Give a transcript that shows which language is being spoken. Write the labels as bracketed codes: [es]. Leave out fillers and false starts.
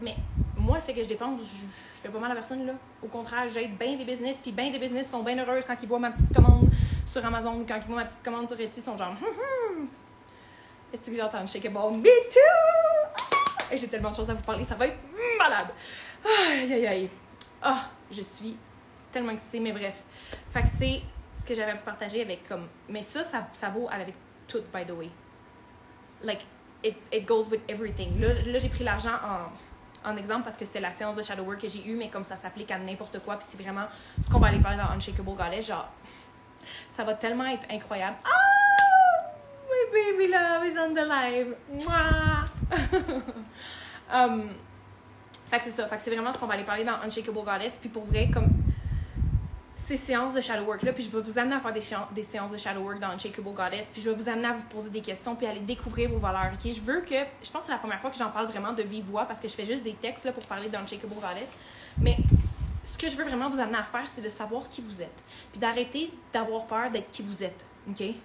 [fr] Mais moi, le fait que je dépense, je fais pas mal à personne, là. Au contraire, j'aide bien des business, puis bien des business sont bien heureux quand ils voient ma petite commande sur Amazon, quand ils voient ma petite commande sur Etsy, ils sont genre « Est-ce que j'entends shake a ball? [en] Me too! [fr] » Et j'ai tellement de choses à vous parler, ça va être malade! Aïe, aïe, aïe. Ah, je suis tellement excitée, mais bref. Fait que c'est ce que j'avais à vous partager avec, comme... Mais ça vaut avec tout, [en] by the way. Like, it goes with everything. [fr] Là j'ai pris l'argent en exemple, parce que c'était la séance de shadow work que j'ai eue, mais comme ça s'applique à n'importe quoi, puis c'est vraiment ce qu'on va aller parler dans Unshakeable Goddess, genre, ça va tellement être incroyable. Ah! [en] My baby love is on the live! Mouah! [fr] Fait que c'est ça, fait que c'est vraiment ce qu'on va aller parler dans Unshakeable Goddess, puis pour vrai, comme, ces séances de shadow work-là, puis je vais vous amener à faire des séances de shadow work dans Unshakeable Goddess, puis je vais vous amener à vous poser des questions, puis aller découvrir vos valeurs, ok? Je veux que... Je pense que c'est la première fois que j'en parle vraiment de vive voix, parce que je fais juste des textes, là, pour parler d'Unshakeable Goddess, mais ce que je veux vraiment vous amener à faire, c'est de savoir qui vous êtes, puis d'arrêter d'avoir peur d'être qui vous êtes, ok?